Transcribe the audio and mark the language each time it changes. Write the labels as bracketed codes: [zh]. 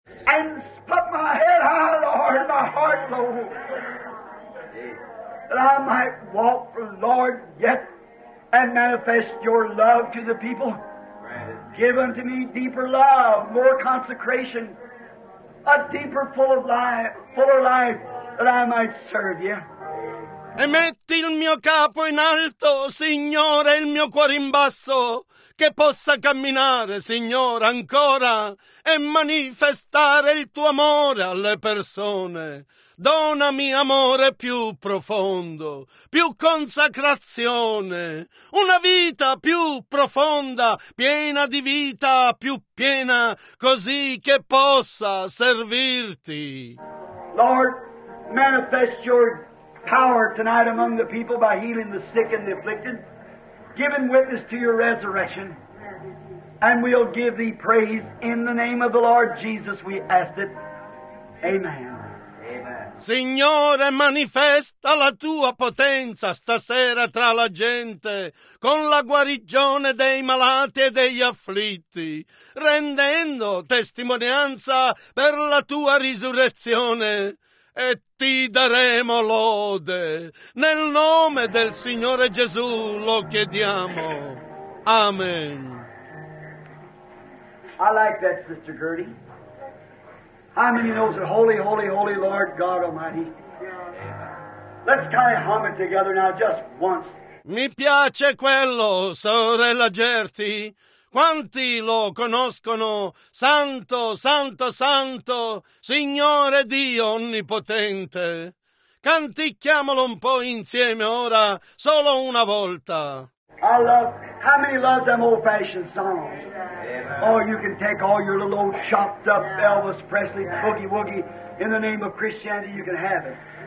[en] And put my head high, Lord, my heart low, that I might walk, Lord, yet and manifest your love to the people. Give unto me deeper love, more consecration, a deeper full of life, fuller life, that I might serve you. [it] E metti il mio capo in alto, Signore, il mio cuore in basso, che possa camminare, Signore, ancora e manifestare il tuo amore alle persone. Donami amore più profondo, più consacrazione, una vita più profonda, piena di vita, più piena, così che possa servirti. [en] Lord, manifest your power tonight among the people by healing the sick and the afflicted, giving witness to your resurrection, and we'll give thee praise in the name of the Lord Jesus, we ask it. Amen. [it] Signore, manifesta la tua potenza stasera tra la gente con la guarigione dei malati e degli afflitti, rendendo testimonianza per la tua risurrezione, e ti daremo lode. Nel nome del Signore Gesù lo chiediamo. Amen. [en] I like that, Sister Gertie. How many knows that holy, holy, holy Lord God Almighty? Let's kind of hum it together now just once. [it] Mi piace quello, sorella Gertie. Quanti lo conoscono? Santo, santo, santo, Signore Dio onnipotente. Canticchiamolo un po' insieme ora, solo una volta. [en] I love, how many love them old fashioned songs? Oh, you can take all your little old chopped up Elvis Presley boogie woogie in the name of Christianity, you can have it.